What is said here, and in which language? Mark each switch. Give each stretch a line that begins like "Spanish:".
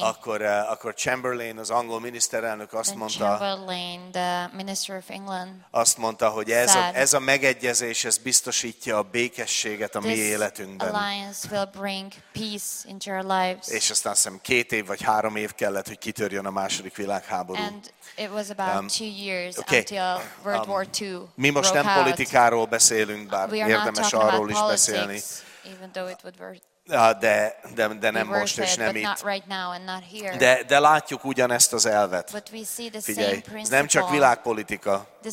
Hungarian: Akkor Chamberlain, az angol miniszterelnök azt mondta.
English: Chamberlain, the minister of England.
Hungarian: Azt mondta, hogy ez a megegyezés ez biztosítja a békességet a mi életünkben.
English: This alliance will bring peace into our lives.
Hungarian: És aztán sem 2 év vagy 3 év kellett, hogy kitörjön a második világháború.
English: And it was about 2 years until World War II broke out.
Hungarian: Mi most nem politikáról beszélünk, bár érdemes arról is beszélni.
English: Even though it would work.
Hungarian: De nem
English: we
Hungarian: most, és nem itt.
English: Right,
Hungarian: de látjuk ugyanezt az elvet. Figyelj, ez nem csak világpolitika.